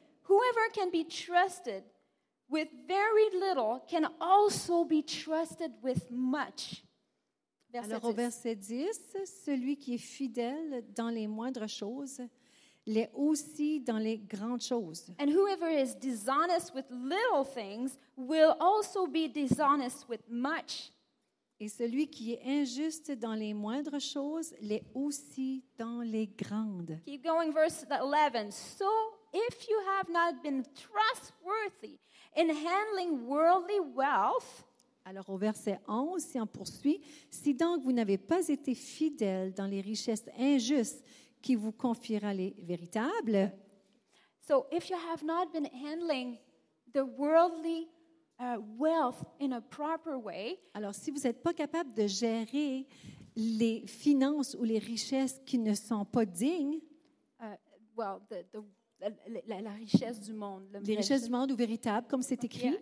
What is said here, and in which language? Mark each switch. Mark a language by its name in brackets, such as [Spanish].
[English] Whoever can be trusted with very little can also be trusted with much. [French] Alors, au verset 10, celui qui est fidèle dans les moindres choses l'est aussi dans les grandes choses. [English] And whoever is dishonest with little things will also be dishonest with much. [French] Et celui qui est injuste dans les moindres choses l'est aussi dans les grandes. [English] Keep going, verse 11. So if you have not been trustworthy in handling worldly wealth, [French] alors au verset 11, si on poursuit, si donc vous n'avez pas été fidèle dans les richesses injustes qui vous confiera les véritables. [English] So if you have not been handling the worldly wealth in a proper way, [French] alors si vous n'êtes pas capable de gérer les finances ou les richesses qui ne sont pas dignes, la richesse du monde, les richesses du monde ou véritables comme c'est écrit.